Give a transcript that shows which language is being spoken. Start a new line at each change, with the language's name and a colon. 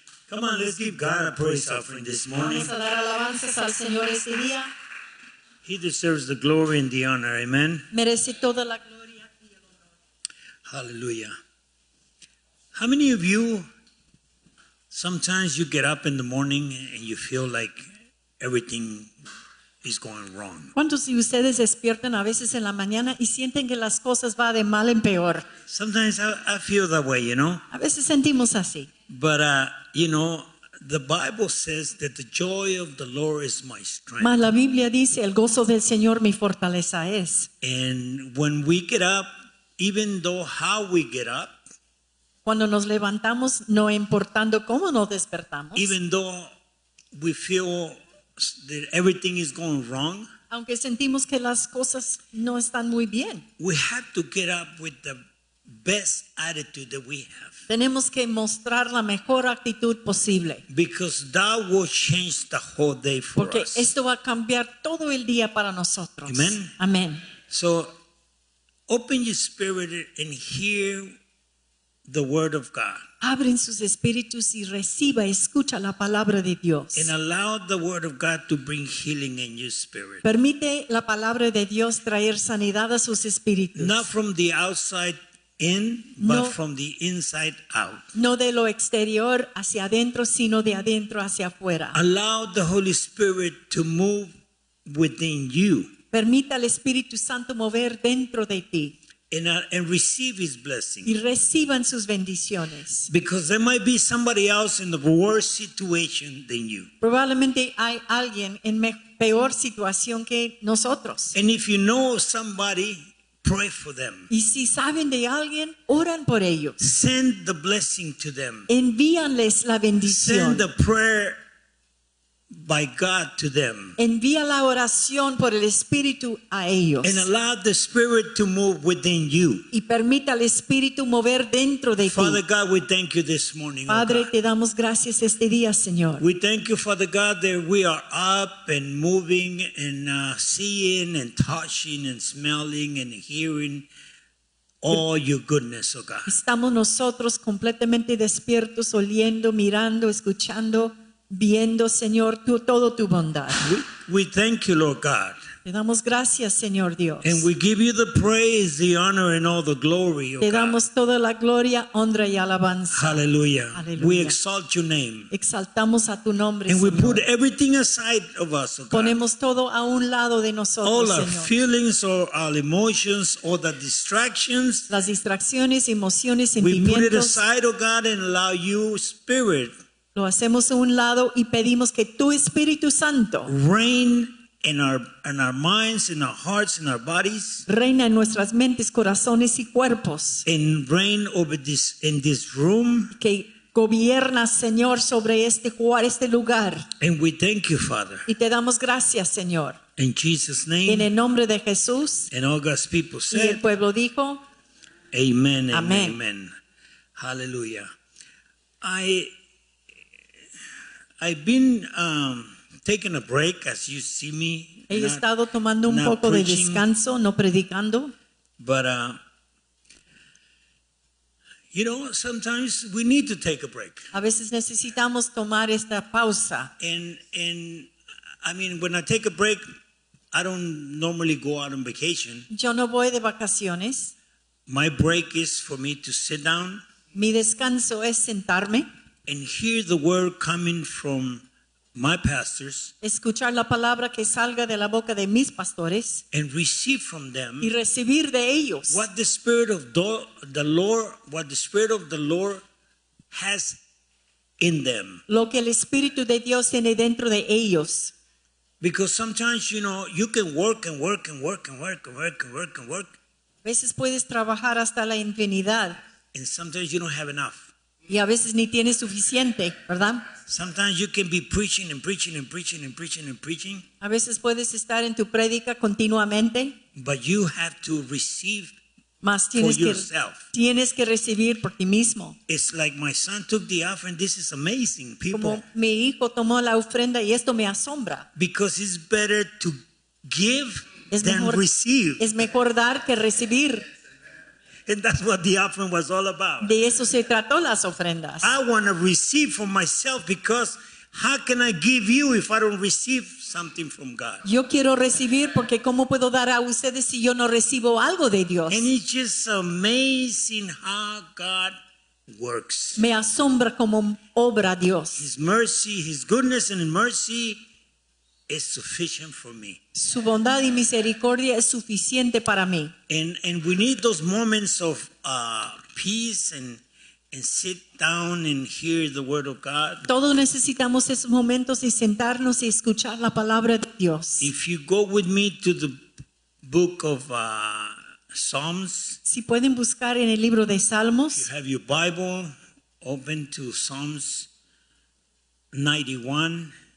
English: Come on, let's give God a praise offering this morning.
Spanish: Vamos a dar alabanzas al Señor este día.
English: He deserves the glory and the honor. Amen.
Spanish: Merece toda la gloria y el honor.
English: Hallelujah. How many of you, sometimes you get up in the morning and you feel like everything is going wrong?
Spanish: ¿Cuántos de ustedes despiertan a veces en la mañana y sienten que las cosas van de mal en peor?
English: Sometimes I feel that way, you know.
Spanish: A veces sentimos así.
English: But you know, the Bible says that the joy of the Lord is my strength.
Spanish: Mas la Biblia dice el gozo del Señor mi fortaleza es.
English: And when we get up, even though how we get up,
Spanish: cuando nos levantamos, no importando cómo nos despertamos,
English: even though we feel that everything is going wrong,
Spanish: aunque sentimos que las cosas no están muy bien,
English: we have to get up with the best attitude that we have.
Spanish: Tenemos que mostrar la mejor actitud posible.
English: Because that will change the whole day for
Spanish: porque
English: us.
Spanish: Porque esto va a cambiar todo el día para nosotros.
English: Amen.
Spanish: Amen.
English: So, open your spirit and hear the word of God.
Spanish: Abren sus espíritus y reciba, escucha la palabra de Dios.
English: And allow the word of God to bring healing in your spirit.
Spanish: Permite la palabra de Dios traer sanidad a sus espíritus.
English: Not from the outside in, but no, from the inside out.
Spanish: No de lo exterior hacia adentro, sino de adentro hacia afuera.
English: Allow the Holy Spirit to move within you.
Spanish: Permita al Espíritu Santo mover dentro de ti.
English: And receive His blessing.
Spanish: Y reciban sus bendiciones.
English: Because there might be somebody else in a worse situation than you.
Spanish: Probablemente hay alguien en peor situación que nosotros.
English: And if you know somebody, pray for them.
Spanish: Y si saben de alguien, oran por ellos.
English: Send the blessing to them.
Spanish: Envíanles la bendición.
English: Send the prayer by God to them.
Spanish: Envía la oración por el Espíritu a ellos.
English: And allow the Spirit to move within you.
Spanish: Y permita al Espíritu mover dentro de ti.
English: Father God, we thank you this morning.
Spanish: Padre, te damos gracias este día, Señor.
English: We thank you, Father God, that we are up and moving and seeing and touching and smelling and hearing all your goodness, oh God.
Spanish: Estamos nosotros completamente despiertos, oliendo, mirando, escuchando, viendo, Señor, tu, todo tu bondad.
English: We thank you, Lord God.
Spanish: Te damos gracias, Señor Dios.
English: And we give you the praise, the honor, and all the glory, oh God.
Spanish: Te damos toda la gloria, honra, y alabanza.
English: Hallelujah.
Spanish: Hallelujah.
English: We exalt your name.
Spanish: Exaltamos a tu nombre,
English: and
Spanish: Señor.
English: We put everything aside of us, oh God.
Spanish: Ponemos todo a un lado de nosotros,
English: all
Spanish: Señor.
English: Our feelings or our emotions or the distractions.
Spanish: Las distracciones, emociones, sentimientos.
English: We put it aside, oh God, and allow you, Spirit.
Spanish: Lo hacemos a un lado y pedimos que tu Espíritu Santo
English: reign in our minds, in our hearts, in our bodies.
Spanish: Reina en nuestras mentes, corazones y cuerpos.
English: And reign over this, in this room.
Spanish: Que gobierna, Señor, sobre este lugar.
English: And we thank you, Father.
Spanish: Y te damos gracias, Señor.
English: In Jesus' name.
Spanish: En el nombre de Jesús.
English: And all God's people said.
Spanish: Y el pueblo dijo.
English: Amen. Amen. Amen. Hallelujah. I've been taking a break, as you see me.
Spanish: He estado tomando un poco de descanso, no predicando.
English: But you know, sometimes we need to take a break.
Spanish: A veces necesitamos tomar esta pausa.
English: And I mean, when I take a break, I don't normally go out on vacation.
Spanish: Yo no voy de vacaciones.
English: My break is for me to sit down.
Spanish: Mi descanso es sentarme.
English: And hear the word coming from my pastors.
Spanish: Escuchar la palabra que salga de la boca de mis pastores.
English: And receive from them.
Spanish: Y recibir de ellos.
English: What the Spirit of the Lord, what the Spirit of the Lord has in them.
Spanish: Lo que el Espíritu de Dios tiene dentro de ellos.
English: Because sometimes, you know, you can work and work and work and work and work and work and work.
Spanish: A veces puedes trabajar hasta la infinidad.
English: And sometimes you don't have enough.
Spanish: Y a veces ni tiene suficiente, ¿verdad?
English: Sometimes you can be preaching and preaching and preaching and preaching and preaching.
Spanish: A veces puedes estar en tu prédica continuamente.
English: But you have to receive
Spanish: más tienes
English: for yourself.
Spanish: Que, tienes que recibir por ti mismo.
English: It's like my son took the offering. This is amazing, people.
Spanish: Como mi hijo tomó la ofrenda y esto me asombra.
English: Because it's better to give
Spanish: es
English: than
Spanish: mejor,
English: receive.
Spanish: Es mejor dar que recibir.
English: And that's what the offering was all about.
Spanish: De eso se trató las ofrendas.
English: I want to receive for myself because how can I give you if I don't receive something from God?
Spanish: Yo quiero recibir porque cómo puedo dar a ustedes si yo no recibo algo de Dios.
English: And it's just amazing how God works.
Spanish: Me asombra cómo obra Dios.
English: His mercy, his goodness and mercy is sufficient for me.
Spanish: Su bondad y misericordia es suficiente para mí.
English: And we need those moments of peace and sit down and hear the word of God.
Spanish: Todos necesitamos esos momentos de sentarnos y escuchar la palabra de Dios.
English: If you go with me to the book of Psalms.
Spanish: Si pueden buscar en el libro de Salmos.
English: If you have your Bible, open to Psalms 91.